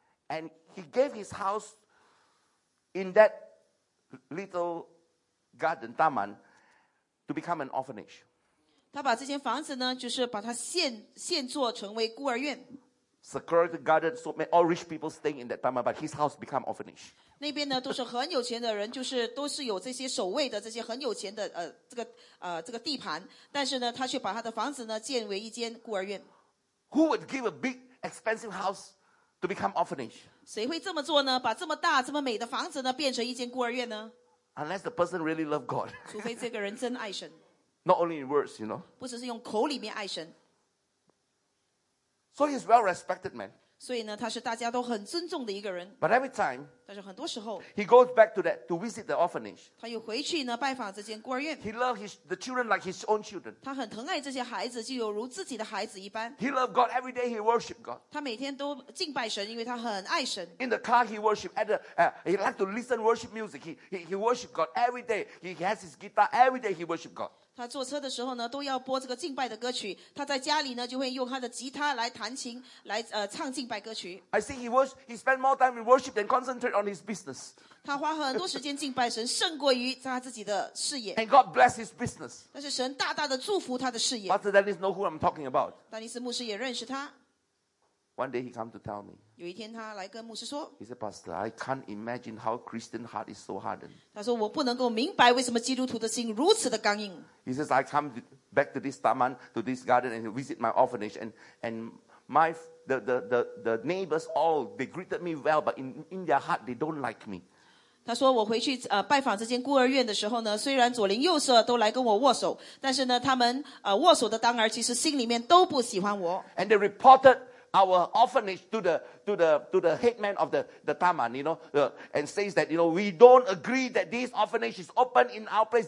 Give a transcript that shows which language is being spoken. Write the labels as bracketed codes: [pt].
[en] And he gave his house in that little garden, taman, to become an orphanage. [zh] 他把这间房子呢, 就是把它现作成为孤儿院。 [en] Security garden, so many all rich people stay in that taman, but his house become orphanage. [zh] 那边呢都是很有钱的人, 就是都是有这些守卫的这些很有钱的 这个地盘, 但是呢他却把他的房子呢建为一间孤儿院。 [en] Who would give a big expensive house to become orphanage? [zh] 谁会这么做呢? 把这么大这么美的房子呢 变成一间孤儿院呢? [en] Unless the person really love God. [zh] 除非这个人真爱神。 [en] Not only in words, you know. [zh] 不只是用口里面爱神。 [en] So he's well-respected man. [zh] 所以呢,他是大家都很尊重的一个人。 [en] But every time, [zh] 但是很多时候, [en] he goes back to that to visit the orphanage. [zh] 他又回去呢,拜访这间孤儿院。 [en] He loves the children like his own children. [zh] 他很疼爱这些孩子, 就有如自己的孩子一般。 [en] He loves God every day, he worships God. [zh] 他每天都敬拜神, 因为他很爱神。 [en] In the car, he worships. He likes to listen worship music. He worships God every day. He has his guitar every day, he worships God. [zh] 他坐车的时候呢, 都要播这个敬拜的歌曲, 他在家里呢, 就会用他的吉他来弹琴, 来, 唱敬拜歌曲。 [en] I think he spent more time in worship than concentrate on his business. [zh] 他花很多时间敬拜神, 胜过于他自己的事业。 [en] And God bless his business. [zh] 但是神大大地祝福他的事业。 [en] Pastor Dennis knows who I'm talking about. [zh] 丹尼斯牧师也认识他。 [en] One day he came to tell me. [zh] 有一天他来跟牧师说, [en] he said, Pastor, I can't imagine how Christian heart is so hardened. [zh] 他说我不能够明白为什么基督徒的心如此的刚硬。 [en] He says, I come back to this taman, to this garden, and visit my orphanage, and my the neighbors all, they greeted me well, but in their heart, they don't like me. [zh] 他说我回去, 拜访这间孤儿院的时候呢, 虽然左邻右舍都来跟我握手, 但是呢, 他们, 握手的当儿, 其实心里面都不喜欢我。 [en] And they reported our orphanage to the headman of the taman, you know, and says that, you know, we don't agree that this orphanage is open in our place.